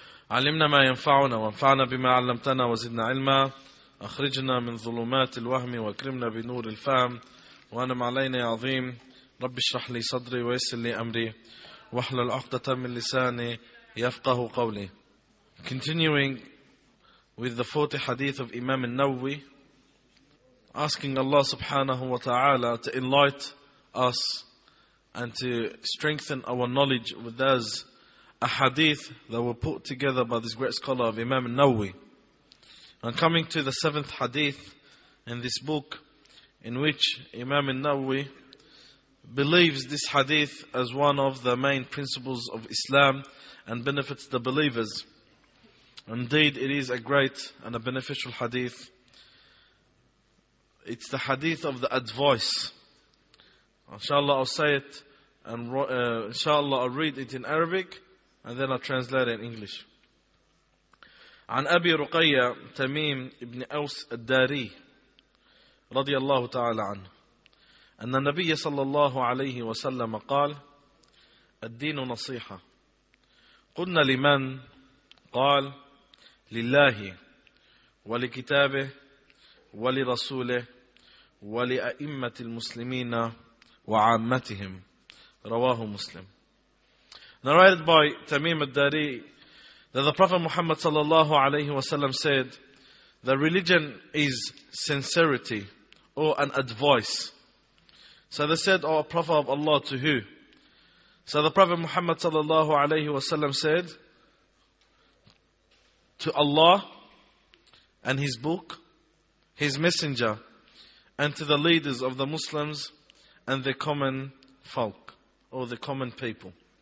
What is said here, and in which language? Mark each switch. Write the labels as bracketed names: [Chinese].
[Arabic] علمنا ما ينفعنا وانفعنا بما علمتنا وزدنا علما أخرجنا من ظلمات الوهم واكرمنا بنور الفهم وأنعم علينا يا عظيم رب اشرح لي صدري ويسر لي أمري واحلل عقدة من لساني يفقه قولي. [English] Continuing with the 40 hadith of Imam al-Nawawi, asking Allah subhanahu wa ta'ala to enlighten us and to strengthen our knowledge with those a hadith that were put together by this great scholar of Imam Nawawi. And coming to the seventh hadith in this book, in which Imam Nawawi believes this hadith as one of the main principles of Islam and benefits the believers. Indeed, it is a great and a beneficial hadith. It's the hadith of the advice. Inshallah, I'll say it, and inshallah, I'll read it in Arabic. And then I'll translate it in English. [Arabic] عن أبي رقية تميم بن أوس الداري رضي الله تعالى عنه أن النبي صلى الله عليه وسلم قال الدين نصيحة قلنا لمن؟ قال لله ولكتابه ولرسوله ولأئمة المسلمين وعامتهم رواه مسلم. [English] Narrated by Tamim al-Dari, that the Prophet Muhammad sallallahu alayhi wa sallam said, that religion is sincerity or an advice. So they said, O Prophet of Allah, to who? So the Prophet Muhammad sallallahu alayhi wa sallam said, to Allah and His book, His messenger, and to the leaders of the Muslims and the common folk or the common people.